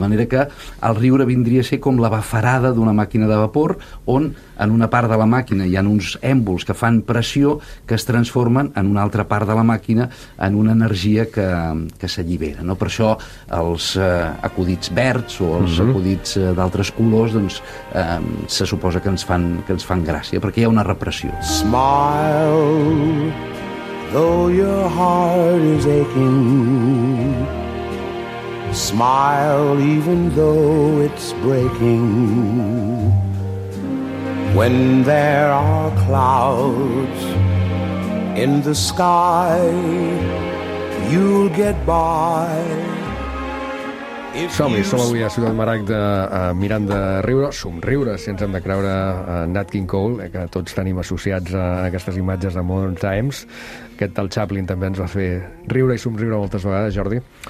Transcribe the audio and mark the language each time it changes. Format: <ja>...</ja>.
<ca>De manera que el riure vindria a ser com la bafarada d'una màquina de vapor, on en una part de la màquina hi ha uns èmbols que fan pressió, que es transformen en una altra part de la màquina, en una energia que s'allibera, no? Per això els acudits verds o els acudits d'altres colors, doncs, se suposa que ens fan gràcia, perquè hi ha una repressió.</ca> <en>Smile, though your heart is aching. Smile even though it's breaking. When there are clouds in the sky, you'll get by.</en> <ca>Som avui a Ciutat Maragda mirant de riure, somriure, si ens hem de creure Nat King Cole, que tots tenim associats a aquestes imatges de Modern Times. Aquest tal Chaplin també ens va fer riure i somriure moltes vegades, Jordi.</ca>